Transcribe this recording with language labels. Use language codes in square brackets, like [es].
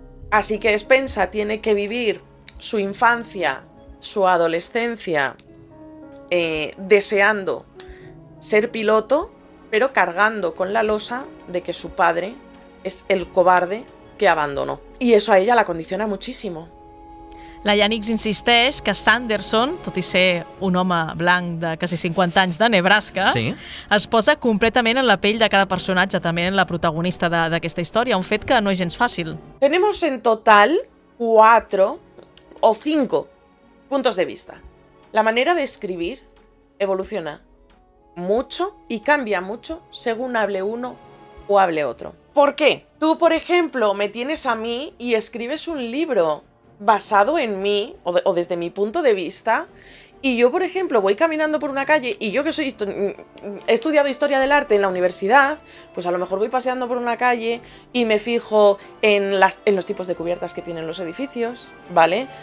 [es] Así que Spensa tiene que vivir su infancia, su adolescencia, deseando ser piloto, pero cargando con la losa de que su padre es el cobarde que abandonó. Y eso a ella la condiciona muchísimo. [ca] La Yannick insisteix que Sanderson, tot i ser un home blanc de quasi 50 anys de Nebraska, sí, es posa completament en la pell de cada personatge, també en la protagonista d'aquesta història, un fet que no és gens fàcil. [es] Tenemos en total 4 o 5 puntos de vista. La manera de escribir evoluciona mucho y cambia mucho según hable uno o hable otro. ¿Por qué? Tú, por ejemplo, me tienes a mí y escribes un libro basado en mí o desde mi punto de vista, y yo, por ejemplo, voy caminando por una calle y yo, que soy he estudiado historia del arte en la universidad, pues a lo mejor voy paseando por una calle y me fijo en los tipos de cubiertas que tienen los edificios, ¿vale?